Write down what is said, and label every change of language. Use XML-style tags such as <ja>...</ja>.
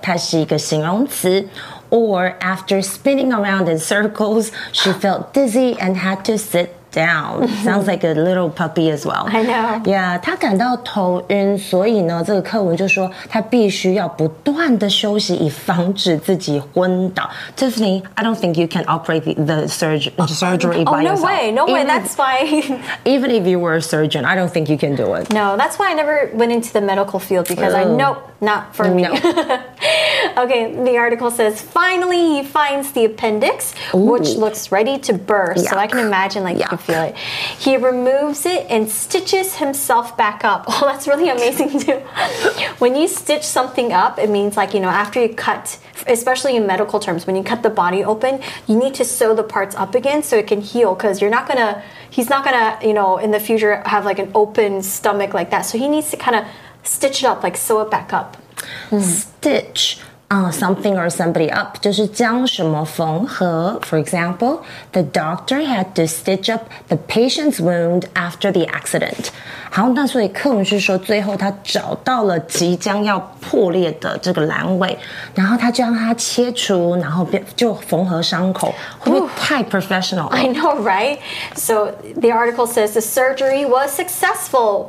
<zh>它是一个形容词。</zh> <en>Or after spinning around in circles, she felt dizzy and had to sit down. Sounds like a little puppy as well. I know.</en> <zh>Yeah, 她感到头晕，所以呢，这个课文就说她必须要不断的休息，以防止自己昏倒。</zh> <en>Tiffany, I don't think you can operate the surgery by yourself. Oh, no way, no way, that's why. Even if you were a surgeon, I don't think you can do it. No, that's why I never went into the medical field, because not for me. No. Okay, the article says, finally he finds the appendix, which looks ready to burst. Yuck. So I can imagine, like, Yuck. You can feel it. He removes it and stitches himself back up. Oh, that's really amazing, too. When you stitch something up, it means, like, you know, after you cut, especially in medical terms, when you cut the body open, you need to sew the parts up again so it can heal, because he's not gonna, you know, in the future have, like, an open stomach like that. So he needs to kind of stitch it up, like, sew it back up. Stitch. something or somebody up,</en> <zh>就是将什么缝合。</zh> <en>For example, the doctor had to stitch up the patient's wound after the accident.</en> <zh>好，那所以课文是说最后他找到了即将要破裂的这个阑尾，然后他就让他切除，然后就缝合伤口。会不会太 professional?</zh> <en>I know, right? So the article says the surgery was successful.</en>